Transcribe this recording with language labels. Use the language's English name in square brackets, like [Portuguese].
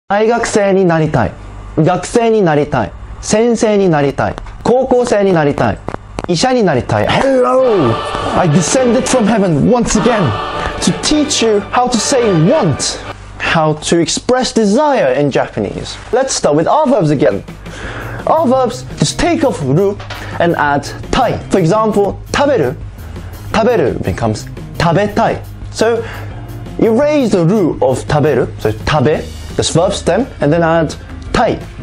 [Japanese] 大学生になりたい、学生になりたい、先生になりたい、高校生になりたい、医者になりたい。 [English] Hello! I descended from heaven once again to teach you how to say want, how to express desire in Japanese. Let's start with our verbs again. Our verbs just take off ru and add tai. For example, 食べる becomes 食べたい. So erase the ru of 食べる, so 食べ, this verb stem, and then add tai.